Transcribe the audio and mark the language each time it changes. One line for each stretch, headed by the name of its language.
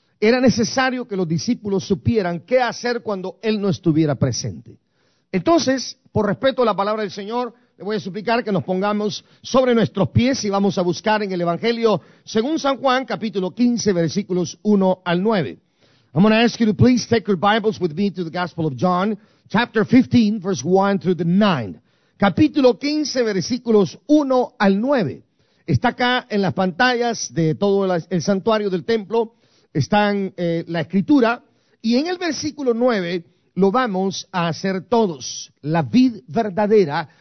Spanish: Era necesario que los discípulos supieran qué hacer cuando él no estuviera presente. Entonces, por respeto a la palabra del Señor, le voy a suplicar que nos pongamos sobre nuestros pies y vamos a buscar en el Evangelio según San Juan, capítulo 15, versículos 1 al 9.
English: I'm going to ask you to please take your Bibles with me to the Gospel of John, chapter 15, verse 1 through the 9.
Spanish: Capítulo 15, versículos 1 al 9. Está acá en las pantallas de todo el santuario del templo, están la Escritura, y en el versículo 9 lo vamos a hacer todos, la vid verdadera.